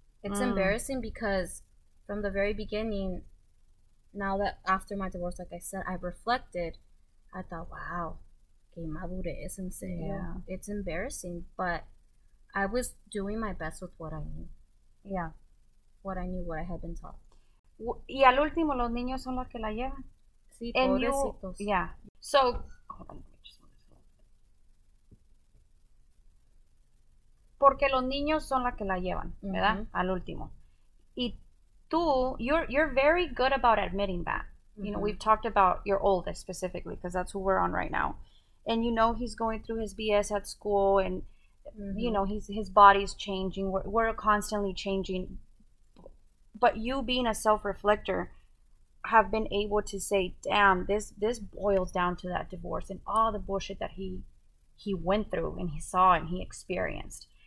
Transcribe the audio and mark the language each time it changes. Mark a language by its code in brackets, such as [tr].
[en] It's embarrassing because from the very beginning, now that after my divorce, like I said, I reflected, I thought, wow, [es] que madure es en serio. [en] Yeah. It's embarrassing, but I was doing my best with what I knew. Yeah. What I knew, what I had been taught. [es] Y al último, los niños son los que la llevan. Sí, [en] and [es] pobrecitos. [en] You, yeah. So, hold on, let me just move this. [es] Porque los niños son los que la llevan, mm-hmm. ¿verdad? Al último. Y tú, [en] you're very good about admitting that. Mm-hmm. You know, we've talked about your oldest specifically, because that's who we're on right now. And you know he's going through his BS at school, and, mm-hmm. you know, his body's changing. We're constantly changing. But you being a self-reflector have been able to say, damn, this boils down to that divorce and all the bullshit that he went through and he saw and he experienced.